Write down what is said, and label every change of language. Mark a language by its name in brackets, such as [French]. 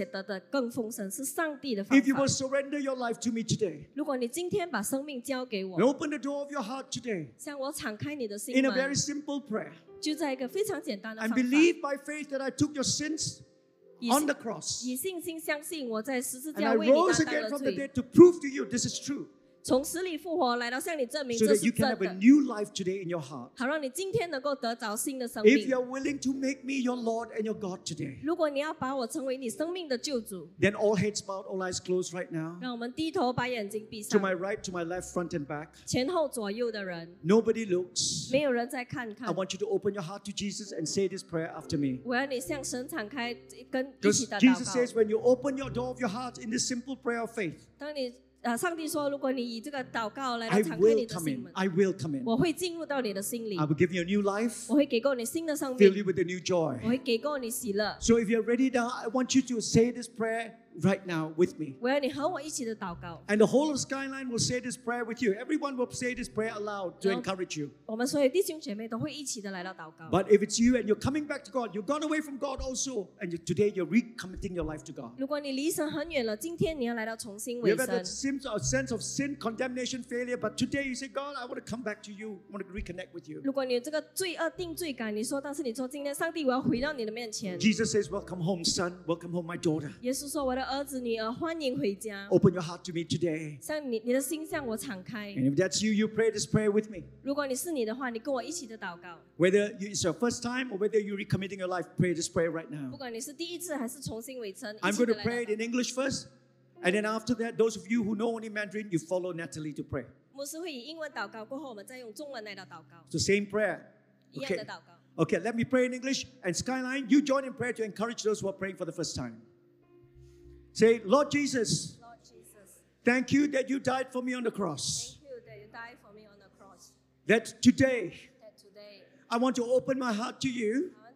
[Chinese] 耶稣说,我来了是要叫你得生命,并且得的更丰盛,是上帝的方法。 [English] If you will surrender your life to me today, [Chinese] 如果你今天把生命交给我, [English] open the door of your heart today, [Chinese] 向我敞开你的心门, [English] in a very simple prayer, [Chinese] 就在一个非常简单的方法, [English] and believe by faith that I took your sins on the cross, [Chinese] 以信心相信我在十字架为你担当的罪, [English] and I rose again from the dead to prove to you this is true, [Chinese] 从死里复活来到向你证明这是真的, [English] so that you can have a new life today in your heart, [Chinese] 好让你今天能够得着新的生命。 [English] If you are willing to make me your Lord and your God today, [Chinese] 如果你要把我成为你生命的救主, [English] then all heads bowed, all eyes closed right now, [Chinese] 让我们低头把眼睛闭上, [English] to my right, to my left, front and back, [Chinese] 前后左右的人, [English] nobody looks, [Chinese] 没有人在看看。 [English] I want you to open your heart to Jesus and say this prayer after me. [Chinese] 我要你向神敞开, 跟一起的祷告。 [English] Jesus says, when you open your door of your heart in this simple prayer of faith, [Chinese] 当你 上帝说如果你以这个祷告来, [English] I will come in. I will come in. [Chinese] 我会进入到你的心里。 [English] I will give you a new life. [Chinese] 我会给过你新的生命。 [English] Fill you with a new joy. [Chinese] 我会给过你喜乐。 [English] So if you're ready now, I want you to say this prayer right now with me. [Chinese] 我要你和我一起的祷告。 [English] And the whole of Skyline will say this prayer with you. Everyone will say this prayer aloud to encourage you. [Chinese] 我们所有弟兄姐妹都会一起的来到祷告。 [English] But if it's you and you're coming back to God, you've gone away from God also, and today you're recommitting your life to God. [Chinese] 如果你离神很远了, 今天你要来到重新为神。 [English] You've had a sense of sin, condemnation, failure, but today you say, God, I want to come back to you. I want to reconnect with you. [Chinese] 如果你有这个罪恶定罪感, 你说, 但是你说, 今天, 上帝我要回到你的面前。 [English] Jesus says, welcome home, son. Welcome home, my daughter. [Chinese] 耶稣说, 我的儿子女儿欢迎回家。 [English] Open your heart to me today. [Chinese] 向你的心向我敞开。 [English] And if that's you, you pray this prayer with me. [Chinese] 如果你是你的话, 你跟我一起的祷告。 [English] Whether it's your first time or whether you're recommitting your life, pray this prayer right now. [Chinese] 不管你是第一次还是重新委身, [English] I'm going to pray it in English first, and then after that, those of you who know only Mandarin, you follow Natalie to pray. [Chinese] 牧师会以英文祷告, 过后我们再用中文来祷告。 [English] It's the same prayer. [Chinese] 一样的祷告。 [English] Okay, let me pray in English, and Skyline, you join in prayer to encourage those who are praying for the first time. Say, Lord Jesus, thank you that you died for me on the cross. Thank you that you died for me on the cross. That today, I want to open my heart to you.